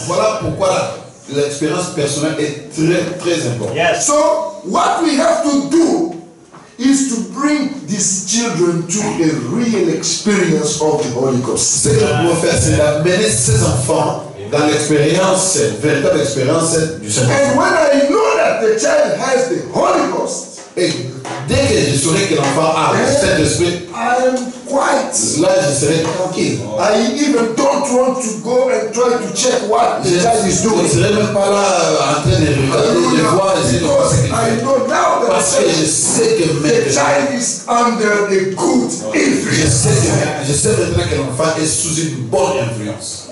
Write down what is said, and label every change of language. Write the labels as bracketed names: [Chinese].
[French] Voilà pourquoi l'expérience personnelle est très, très importante. [English] Yes. So, what we have to do is to bring these children to a real experience of the Holy Ghost. [French] Ce que nous devons faire, c'est d'amener ces enfants dans l'expérience, cette véritable expérience du Saint-Esprit. [English] And when I know that the child has the Holy Ghost, [French] et dès que je saurai que l'enfant a le Saint-Esprit, [English] I am quiet. [French] Là, je serai tranquille. [English] I even don't want to go and try to check what the child is doing. [French] Je ne serai même pas là en train de regarder, de voir si l'enfant s'éclate. Parce que je sais que maintenant, [English] the child is under a good influence. [French] Je sais maintenant que l'enfant est sous une bonne influence.